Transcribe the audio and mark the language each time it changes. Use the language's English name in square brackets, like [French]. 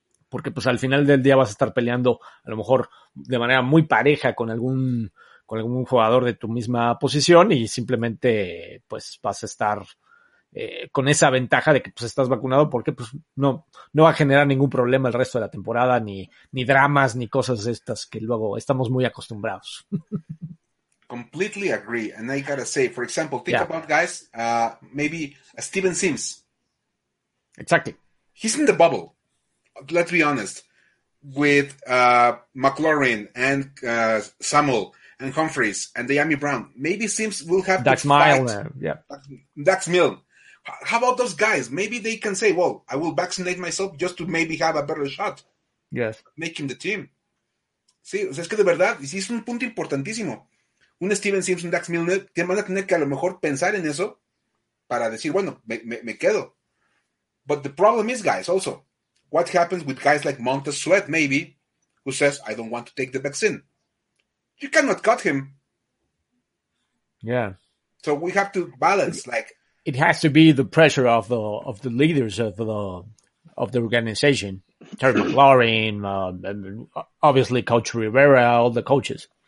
[Spanish] porque pues al final del día vas a estar peleando a lo mejor de manera muy pareja con algún jugador de tu misma posición, y simplemente pues vas a estar con esa ventaja de que pues estás vacunado, porque pues no va a generar ningún problema el resto de la temporada, ni dramas, ni cosas estas que luego estamos muy acostumbrados. [English] Completely agree. And I gotta say, for example, think about guys, maybe Steven Sims. Exactly. He's in the bubble. Let's be honest. With McLaurin and Samuel and Humphreys and Dyami Brown. Maybe Sims will have Dax Milne. Yeah. Dax Milne. How about those guys? Maybe they can say, well, I will vaccinate myself just to maybe have a better shot. Yes. Making the team. [Spanish] Sí, o sea, es que de verdad, sí es un punto importantísimo. Un Steven Sims, un Dax Milne, que van a tener que a lo mejor pensar en eso para decir, bueno, me quedo. [English] But the problem is, guys, also, what happens with guys like Montez Sweat, maybe, who says, I don't want to take the vaccine? You cannot cut him. Yeah. So we have to balance, like, it has to be the pressure of the leaders of the organization, Terry McLaurin, obviously Coach Rivera, all the coaches.